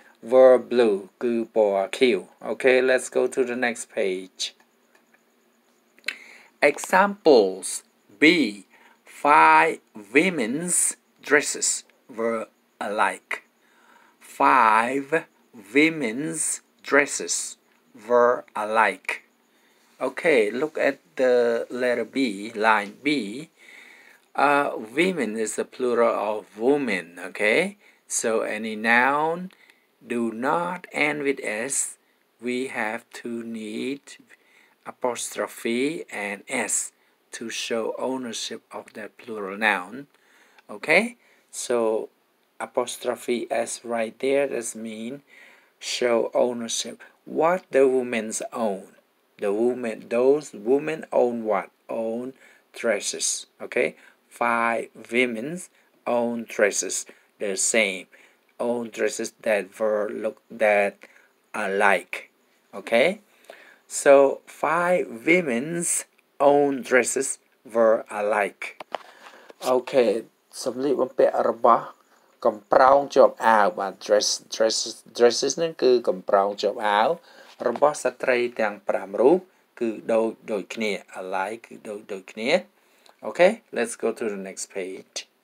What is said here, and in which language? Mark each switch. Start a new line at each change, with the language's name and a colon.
English: verb blue
Khmer: គឺពណ៌ខៀវ
English: okay let's go to the next page examples b five women's dresses were alike five women's dresses were alikeOkay, look at the letter B, line B. Women is the plural of woman, okay? So any noun do not end with S, we have to need apostrophe and S to show ownership of that plural noun, okay? So apostrophe S right there, that means show ownership. What the woman's own? The woman, those women own what? Own dresses. Okay? Five women's own dresses. The same. Own dresses that were look that alike. Okay? So, five women's own dresses were alike. Okay.
Khmer: សំលៀកបំពាក់របស់កំប្រោងជាប់អាវ dresses នឹងគឺកំប្រោងជាប់អាវរបស់ស្ត្រីទាំង5រូបគឺដូចគ្នា alike គឺដូចគ្នា
English: okay let's go to the next page